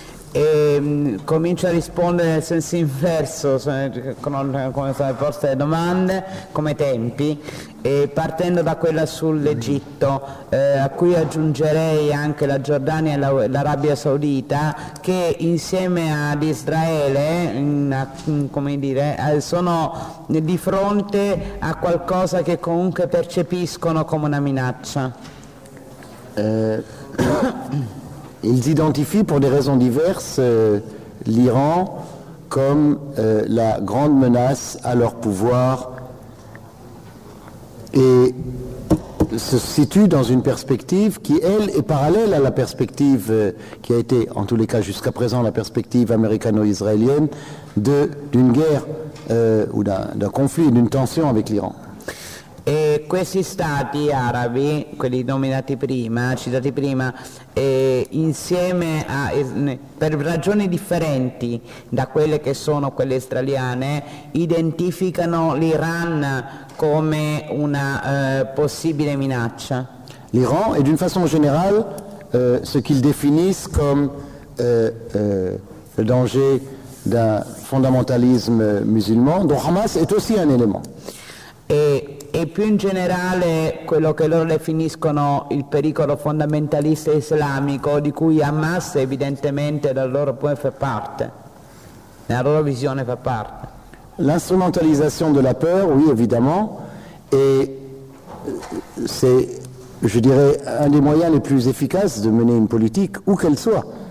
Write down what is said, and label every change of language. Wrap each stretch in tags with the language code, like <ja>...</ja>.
<it>E comincio a rispondere nel senso inverso, come sono poste le domande, come tempi, e partendo da quella sull'Egitto, a cui aggiungerei anche la Giordania e l'Arabia Saudita, che insieme ad Israele come dire, sono di fronte a qualcosa che comunque percepiscono come una minaccia.</it> <fr>Ils identifient pour des raisons diverses l'Iran comme la grande menace à leur pouvoir et se situent dans une perspective qui, elle, est parallèle à la perspective qui a été, en tous les cas jusqu'à présent, la perspective américano-israélienne d'une guerre ou d'un conflit, d'une tension avec l'Iran.</fr> <it>E questi stati arabi, quelli nominati prima, citati prima, insieme a, per ragioni differenti da quelle che sono quelle israeliane, identificano l'Iran come una possibile minaccia.</it> <fr>L'Iran e d'une façon générale ce qu'ils définissent comme le danger d'un fondamentalisme musulman, dont Hamas est aussi un élément.</fr> <it>E più in generale quello che loro definiscono il pericolo fondamentalista islamico di cui Hamas evidentemente dal loro punto fa parte, nella loro visione fa parte.</it> <fr>L'instrumentalisation de la peur, oui évidemment, et c'est, je dirais, un des moyens les plus efficaces de mener une politique, où qu'elle soit.</fr>